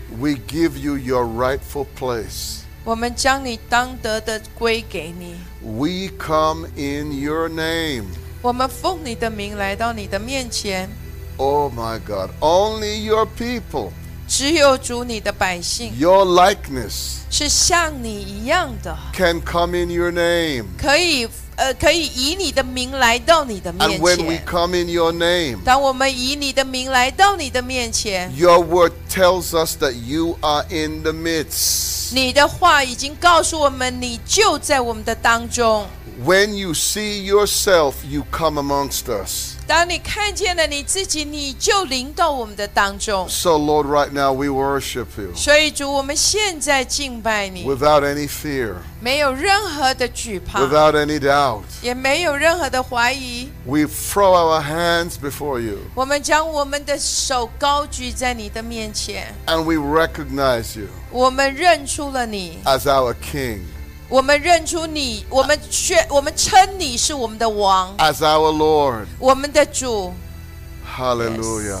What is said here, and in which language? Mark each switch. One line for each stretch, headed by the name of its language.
English: We give you your rightful place.
Chinese: 我们将你当得的归给你。
English: We come in your name.
Chinese: 我们奉你的名来到你的面前。
English: Oh my God, only your people.
Chinese: 只有主你的百姓
English: Your likeness
Chinese: 是像你一样的
English: Can come in your name
Chinese: 可以以你的名来到你的面前
English: And when we come in your name
Chinese: 当我们以你的名来到你的面前
English: Your word tells us that you are in the midst
Chinese: 你的话已经告诉我们你就在我们的当中
English: When you see yourself, you come amongst us
Chinese: 当你看见了你自己你就临到我们的当中
English: So Lord right now we worship you
Chinese: 所以主我们现在敬拜你
English: Without any fear
Chinese: 没有任何的惧怕
English: Without any doubt
Chinese: 也没有任何的怀疑
English: We throw our hands before you
Chinese: 我们将我们的手高举在你的面前
English: And we recognize you
Chinese: 我们认出了你
English: As our king
Chinese: 我们认出你我们称你是我们的王
English: As our Lord
Chinese: 我们的主
English: Hallelujah